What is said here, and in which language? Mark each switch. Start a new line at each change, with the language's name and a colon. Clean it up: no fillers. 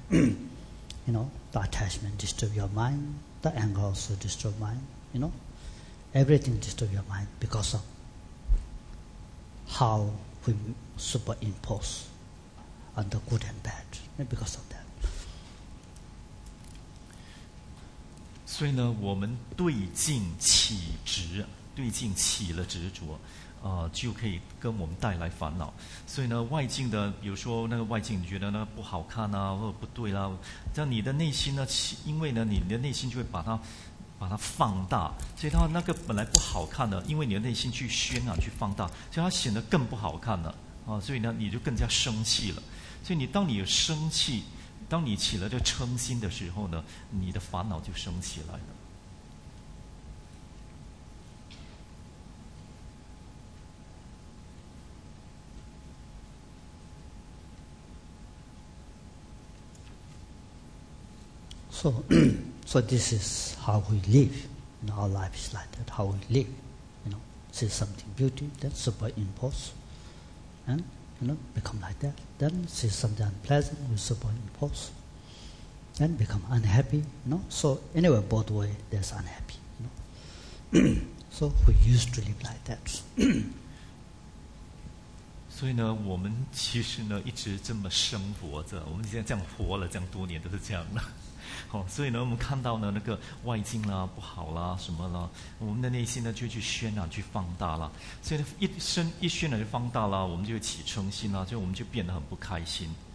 English: You know, the attachment disturb your mind, the anger also disturb mind, you know, everything disturb your mind because of how we super impulse. And the good and bad, because of that.
Chinese: 所以呢，我们对境起执，对境起了执着，就可以跟我们带来烦恼。所以呢，外境的，比如说那个外境，你觉得那不好看啊，或者不对啦、啊，这样你的内心呢，因为呢，你的内心就会把它放大，所以它那个本来不好看的，因为你的内心去渲染、去放大，所以它显得更不好看了啊。所以呢，你就更加生气了。所以你当你有生气，当你起了这嗔心的时候呢，你的烦恼就升起来了。
English: So this is how we live. Our life is like that. How we live, you know, see something beauty that superimpose, and you know, become like that. Then see something unpleasant, we super impulse. Then become unhappy, you know. So anyway, both ways, there's unhappy, you know. So we used to live like that.
Chinese: 所以呢，我们其实呢一直这么生活着，我们现在这样活了，这样多年都是这样的。好，所以呢，我们看到呢那个外境啦不好啦什么啦，我们的内心呢就去渲染、去放大啦。所以一渲染就放大啦，我们就会起嗔心啦，就我们就变得很不开心。